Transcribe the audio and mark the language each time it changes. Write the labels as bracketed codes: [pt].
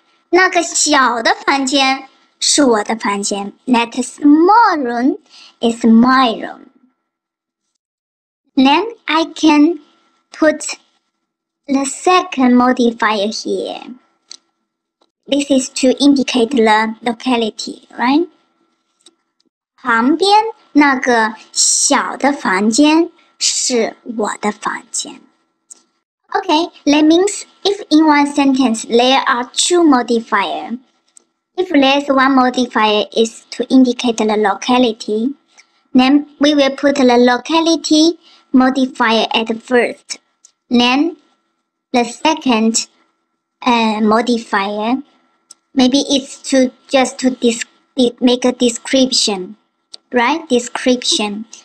[zh] 那个小的房间是我的房间。 [en] That small room is my room. Then I can put the second modifier here. This is to indicate the locality, right? [zh] 旁边那个小的房间是我的房间。 [en] Okay, that means if in one sentence there are two modifier, if there's one modifier is to indicate the locality, then we will put the locality modifier at first, then the second modifier, maybe it's to just to make a description, right? Description.